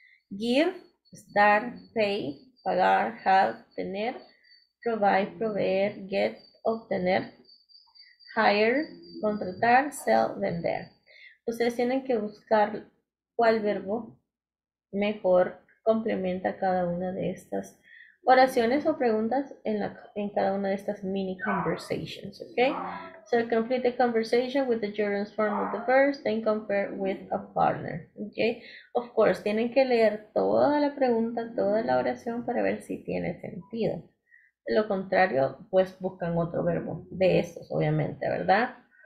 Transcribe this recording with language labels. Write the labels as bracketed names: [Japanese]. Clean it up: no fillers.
[Spanish] Give es dar, pay, pagar, have, tener, provide, proveer, get, obtener, hire, contratar, sell, vender. Ustedes tienen que buscar cuál verbo mejor complementa cada una de estas oraciones o preguntas en cada una de estas mini conversations, okay? [English] So complete the conversation with the gerund's form of the verb, then compare with a partner, okay? Of course, [Spanish] tienen que leer toda la pregunta, toda la oración para ver si tiene sentido. De lo contrario, pues buscan otro verbo de estos, obviamente, ¿verdad?